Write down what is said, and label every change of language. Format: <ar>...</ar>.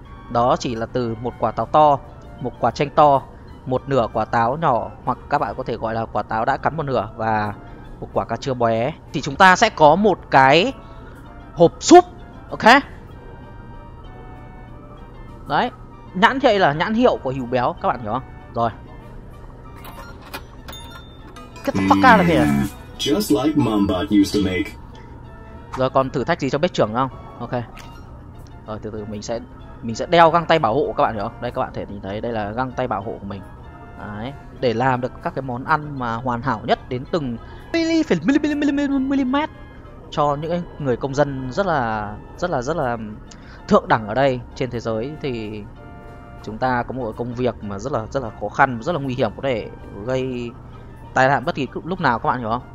<vi>Đó chỉ là từ một quả táo to, một quả chanh to, một nửa quả táo nhỏ, hoặc các bạn có thể gọi là quả táo đã cắn một nửa, và một quả cà chua bé. Thì chúng ta sẽ có một cái hộp súp. Ok. Đấy, nhãn hiệu là nhãn hiệu của Hữu Béo, các bạn hiểu không? Rồi.</vi> <en>Get the fuck out of here. Just like Mombot used to make.</en> <vi>Rồi còn thử thách gì cho bếp trưởng không? Ok. Rồi từ từ mình sẽ đeo găng tay bảo hộ các bạn hiểu không? Đây các bạn thể nhìn thấy đây là găng tay bảo hộ của mình. Đấy, để làm được các cái món ăn mà hoàn hảo nhất đến từng mm cho những người công dân rất là thượng đẳng ở đây trên thế giới, thì chúng ta có một công việc mà rất là khó khăn, rất là nguy hiểm, có thể gây tai nạn bất kỳ lúc nào các bạn hiểu không?</vi>